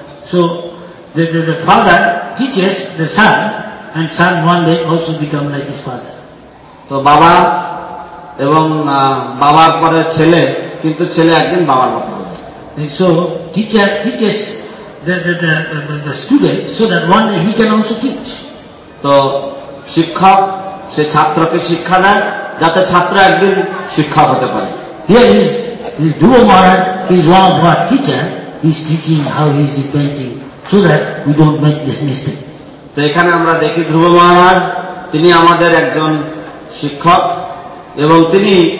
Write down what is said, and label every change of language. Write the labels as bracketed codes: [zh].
[en] So the father teaches the son, and son one day also become like his father. [bn] তো বাবা এবং বাবার পরে ছেলে, কিন্তু ছেলে একদিন বাবার মতো হবে. [en] So teacher teaches the student so that one day he can also teach. [bn] তো শিক্ষক সে ছাত্রকে শিক্ষা দেয় যাতে ছাত্র একদিন শিক্ষক হতে পারে. [en] Here he is Dhruva Maharaj, he is one of our teacher, he is teaching how he is repenting so that we don't make this mistake. [bn] তো এখানে আমরা দেখি ধ্রুব মহারাজ তিনি আমাদের একজন শিক্ষক এবং তিনি